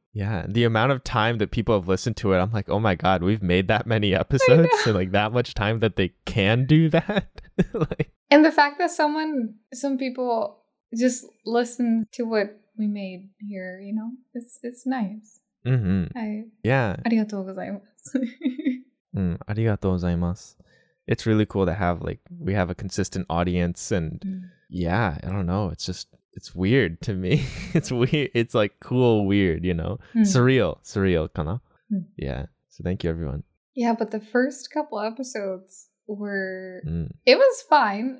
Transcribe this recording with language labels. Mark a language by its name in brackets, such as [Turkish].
[English] Yeah, the amount of time that people have listened to it, I'm like, oh my god, we've made that many episodes and like that much time that they can do that. Like, and the fact that some people just listen to what we made here, you know, it's nice. Mm-hmm. [Japanese] ありがとうございます。ありがとうございます。 [English] It's really cool to have, like, we have a consistent audience and, yeah, I don't know. It's just, it's weird to me. It's weird. It's like cool, weird, you know? Surreal, kana? Yeah. So thank you, everyone. Yeah, but the first couple episodes were, it was fine.